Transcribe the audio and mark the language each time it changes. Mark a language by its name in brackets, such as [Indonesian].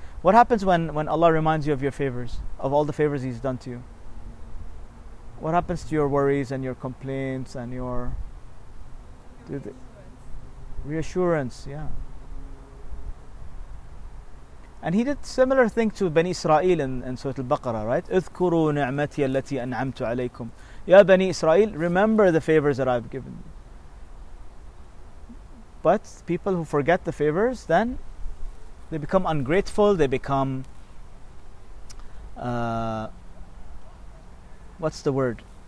[English] What happens when Allah reminds you of your favors, of all the favors He's done to you? What happens to your worries and your complaints and your reassurance? Yeah. And he did similar thing to Bani Israel in Surah Al-Baqarah, right? [Arabic] اذكروا نعمتي التي أنعمت عليكم. يا بني إسرائيل, [English] remember the favors that I've given you. But people who forget the favors, then they become ungrateful, they become, what's the word?